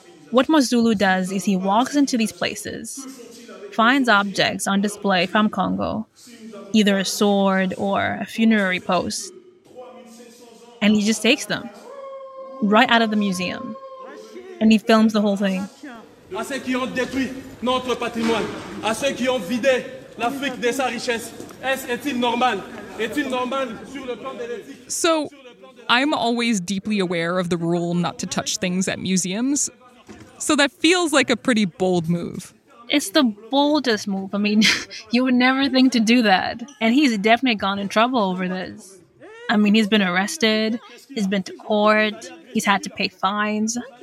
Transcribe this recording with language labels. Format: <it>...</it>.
<en>What Mwazulu does is he walks into these places, finds objects on display from Congo, either a sword or a funerary post, and he just takes them right out of the museum. And he films the whole thing.</en> <fr>À ceux qui ont détruit notre patrimoine, à ceux qui ont vidé l'Afrique de sa richesse, est-il normal? Est-il normal sur le plan de l'éthique?</fr> <en>So, I'm always deeply aware of the rule not to touch things at museums. So that feels like a pretty bold move. It's the boldest move. I mean, you would never think to do that. And he's definitely gone in trouble over this. I mean, he's been arrested, he's been to court, he's had to pay fines.</en>